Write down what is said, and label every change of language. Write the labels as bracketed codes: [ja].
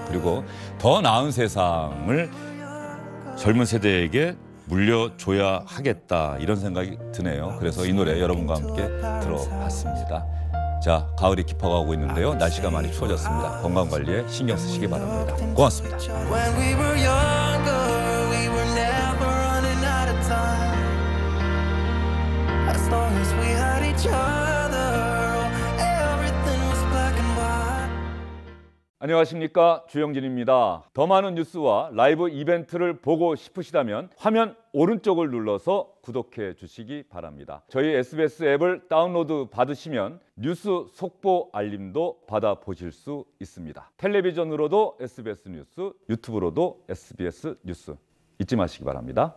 [ko] 그리고 더 나은 세상을 젊은 세대에게 물려줘야 하겠다 이런 생각이 드네요. 그래서 이 노래 여러분과 함께 들어봤습니다. 자, 가을이 깊어가고 있는데요. 날씨가 많이 추워졌습니다. 건강 관리에 신경 쓰시기 바랍니다. 고맙습니다. [en] When we were younger, we were never running out of time. As long as we had each other, everything was black and white. [ko] 안녕하십니까? 주영진입니다. 더 많은 뉴스와 라이브 이벤트를 보고 싶으시다면 화면 오른쪽을 눌러서 구독해 주시기 바랍니다. 저희 SBS 앱을 다운로드 받으시면 뉴스 속보 알림도 받아보실 수 있습니다. 텔레비전으로도 SBS 뉴스, 유튜브로도 SBS 뉴스 잊지 마시기 바랍니다.